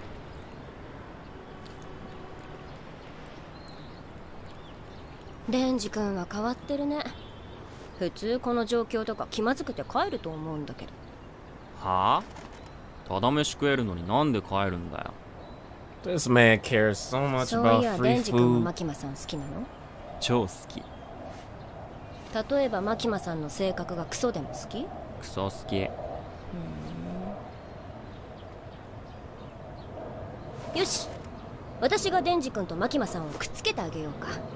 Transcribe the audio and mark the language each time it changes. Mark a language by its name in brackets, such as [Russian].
[Japanese] 俺は初めてはマキマさんって決めたんだ。うん。おー、よかったよかった。未成年に手出したら逮捕だからね、逮捕。デンジ君は変わってるね。普通この状況とか気まずくて帰ると思うんだけど。はあ？ただ飯食えるのになんで帰るんだよ。 [English] This man cares so much about free food. [Japanese] そういや、デンジ君もマキマさん好きなの？超好き。例えばマキマさんの性格がクソでも好き？クソ好き。よし、私がデンジ君とマキマさんをくっつけてあげようか。